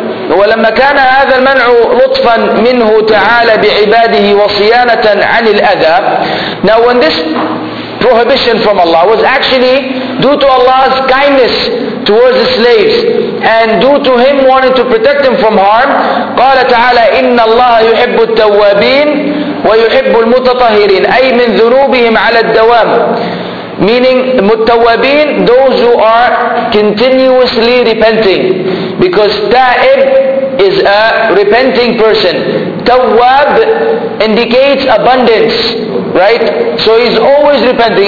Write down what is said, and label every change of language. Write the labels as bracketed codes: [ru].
[ar] ولما كان هذا المنع لطفا منه تعالى بعباده وصيانة عن الأذى. [en] Now when this prohibition from Allah was actually due to Allah's kindness towards the slaves and due to him wanting to protect them from harm. [ar] قال تعالى إن الله يحب التوابين ويحب المتطهرين أي من ذنوبهم على الدوام. [en] Meaning المتوابين, those who are continuously repenting, because تائب is a repenting person. تواب indicates abundance, right? So he's always repenting.